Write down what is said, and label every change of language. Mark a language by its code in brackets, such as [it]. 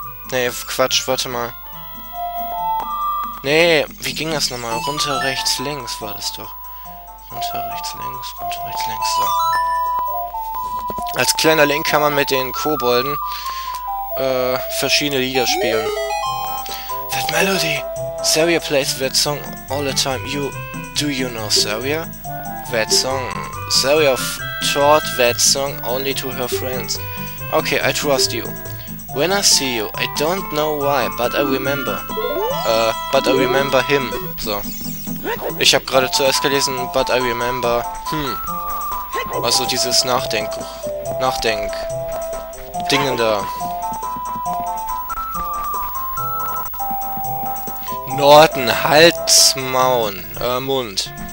[de] Nee, Quatsch, warte mal. Nee, wie ging das nochmal? Runter, rechts, links war das doch. Runter, rechts, links, so. Als kleiner Link kann man mit den Kobolden verschiedene Lieder spielen. [en] That melody! Saria plays that song all the time. Do you know Saria? That song. Saria taught that song only to her friends. Okay, I trust you. When I see you, I don't know why, but I remember. But I remember him. So. [de] Ich habe gerade zuerst gelesen, [en] but I remember. [de] Also dieses Nachdenken. Nachdenk. Dingen da. Norton, Halsmaun, Mund.